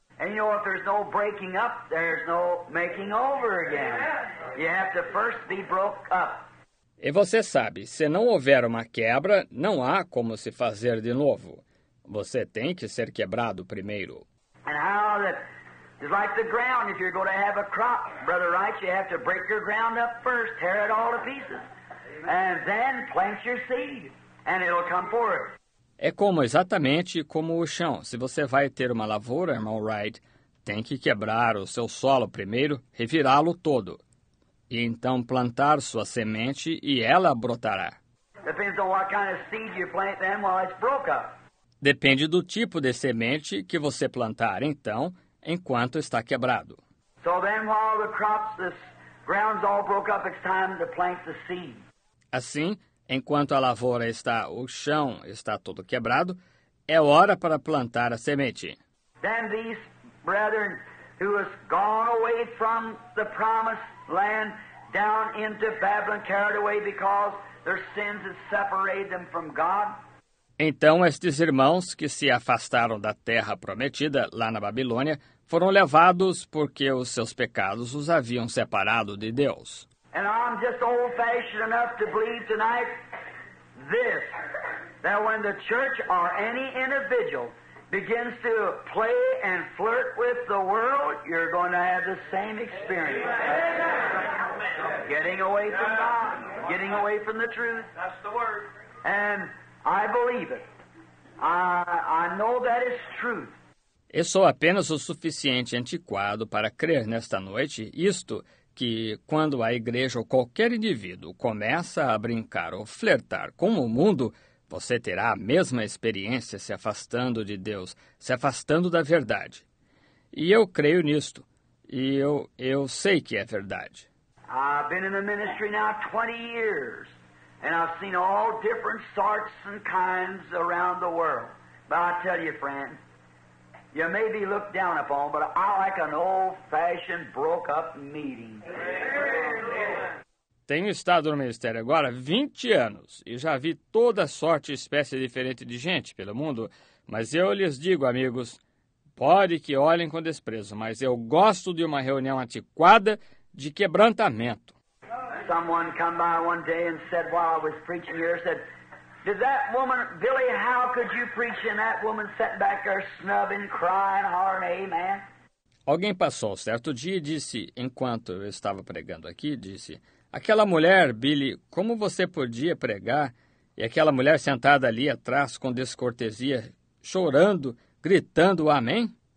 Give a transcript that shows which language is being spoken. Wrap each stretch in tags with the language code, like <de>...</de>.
<en>And you know, if there's no breaking up, there's no making over again. You have to first be broke up.</en> <pt>E você sabe, se não houver uma quebra, não há como se fazer de novo. Você tem que ser quebrado primeiro.</pt> <en>And how that is like the ground. If you're going to have a crop, Brother Wright, you have to break your ground up first, tear it all to pieces, and then plant your seed, and it'll come forth.</en> <pt>É como exatamente como o chão. Se você vai ter uma lavoura, irmão Wright, tem que quebrar o seu solo primeiro, revirá-lo todo. E então plantar sua semente e ela brotará.</pt> <en>Depende on what kind of seed you plant then while it's broke up.</en> <pt>Depende do tipo de semente que você plantar então, enquanto está quebrado.</pt> <en>So then while the crops, the ground's all broke up, it's time to plant the seed.</en> <pt>Assim, enquanto a lavoura está, o chão está todo quebrado, é hora para plantar a semente.</pt> <en>Then these brethren who has gone away from the promised land down into Babylon carried away because their sins had separated them from God.</en> <pt>Então estes irmãos que se afastaram da terra prometida lá na Babilônia foram levados porque os seus pecados os haviam separado de Deus.</pt> <en>And I'm just old-fashioned enough to believe tonight this, that when the church or any individual begins to play and flirt with the world, you're going to have the same experience. Getting away from God, getting away from the truth. That's the word. And I believe it. I know that is truth.</en> <pt>Eu sou apenas o suficiente antiquado para crer nesta noite isto, que quando a igreja ou qualquer indivíduo começa a brincar ou flertar com o mundo, você terá a mesma experiência se afastando de Deus, se afastando da verdade. E eu creio nisto. E eu sei que é verdade.</pt> <en>I've been in the ministry now 20 years, and I've seen all different sorts and kinds around the world. But I tell you, friend, you may be looked down upon, but I like an old-fashioned, broke-up meeting.</en> <pt>Tenho estado no ministério agora 20 anos e já vi toda sorte e espécie diferente de gente pelo mundo. Mas eu lhes digo, amigos, pode que olhem com desprezo, mas eu gosto de uma reunião antiquada de quebrantamento. Oh.</pt> <en>someone come by one day and said, while I was preaching here, said, did that woman, Billy, how could you preach and that woman sat back there snubbing, crying, hollering, amen?</en> <pt>Alguém passou um certo dia e disse, enquanto eu estava pregando aqui, disse, aquela mulher, Billy, como você podia pregar? E aquela mulher sentada ali atrás com descortesia, chorando, gritando, amém?</pt>